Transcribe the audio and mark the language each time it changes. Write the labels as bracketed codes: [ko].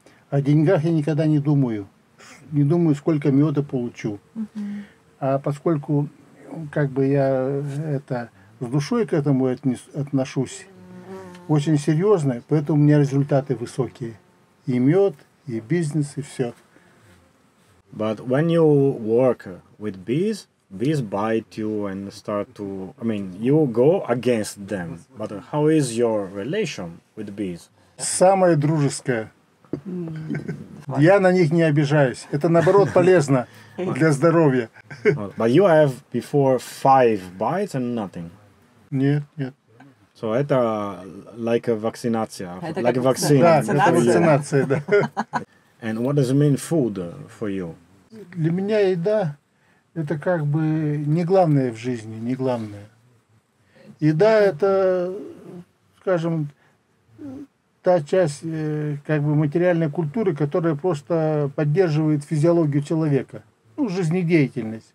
[ru] О деньгах я никогда не думаю. Не думаю, сколько меда получу. А поскольку как бы я это с душой к этому отношусь, очень серьезно, поэтому у меня результаты высокие. И мед, и бизнес, и все. [en] But when you work with bees, bees bite you and start to... I mean, you go against them. But how is your relation with bees? [ru] Самое дружеское. Я на них не обижаюсь. Это, наоборот, полезно для здоровья. [en] But you have before 5 bites and nothing? [ru] Нет, нет. [en] So [ru] это [en] like a [ru] вакцинация. [en] Like a vaccine. [ru] Да, это вакцинация, да. [en] And what does it mean food for you? [ru] Для меня еда... Это как бы не главное в жизни, не главное. Еда – это, скажем, та часть как бы материальной культуры, которая просто поддерживает физиологию человека, ну, жизнедеятельность.